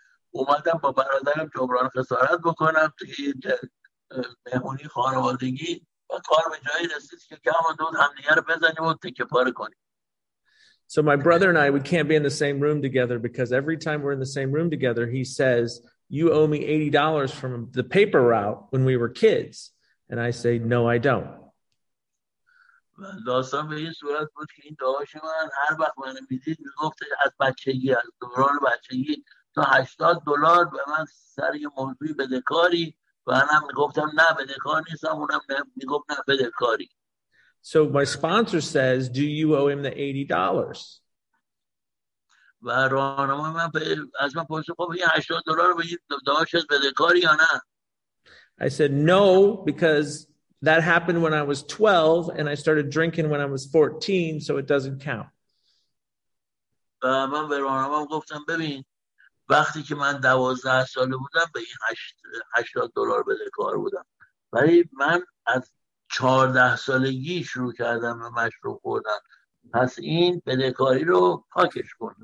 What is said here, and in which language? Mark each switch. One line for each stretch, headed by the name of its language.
Persian: اومدم با برادرم جبران خسارت بکنم توی مهمونی خانوادگی و کار به جایی رسید که کم و دود همدیگه رو بزنیم و تکه پاره کنیم.
English: So my brother and I, we can't be in the same room together because every time we're in the same room together, he says, you owe me $80 from the paper route when we were kids. And I say, no, I don't.
Persian: داستان به این صورت بود که این دعاش من هر وقت منو میدید میگفت از بچگی، از دوران بچگی تو $80 به من سر یه موضوعی بدهکاری و منم میگفتم نه بدهکار نیستم، اونم میگفت نه بدهکاری.
English: So my sponsor says, do you owe him the $80?
Persian: و راهنما من از من پرسید خب این $80 به این داشت بدهکاری یا نه؟
English: I said no, because that happened when I was 12 and I started drinking when I was 14, so it doesn't count.
Persian: و من به راهنما گفتم ببین وقتی که من 12 ساله بودم به این $80 بدهکار بودم، ولی من از 14 سالگی شروع کردم به مشروب خوردن، پس این بدهکاری رو پاکش کن.